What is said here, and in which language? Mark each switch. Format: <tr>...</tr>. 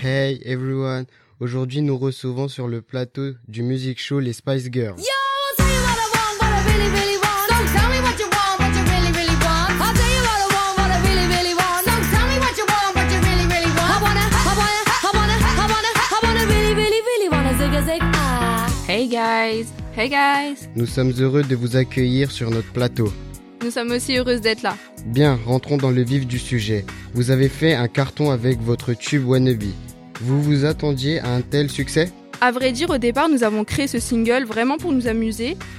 <en>Hey everyone,</en> <fr>aujourd'hui nous recevons sur le plateau du music show les Spice Girls.</fr> <en>Yo, I'll tell you what I want, what I really, really want. Don't tell me what you want, what you really, really want. I'll tell you what I want, what I really, really want. Don't tell me what you want, what you really, really want. I wanna really, really, really wanna zig a zig. Hey guys! Hey guys!</en> <fr>Nous sommes heureux de vous accueillir sur notre plateau. Nous sommes aussi heureuses d'être là. Bien, rentrons dans le vif du sujet. Vous avez fait un carton avec votre tube Wannabe. Vous vous attendiez à un tel succès? À vrai dire, au départ, nous avons créé ce single vraiment pour nous amuser.</fr>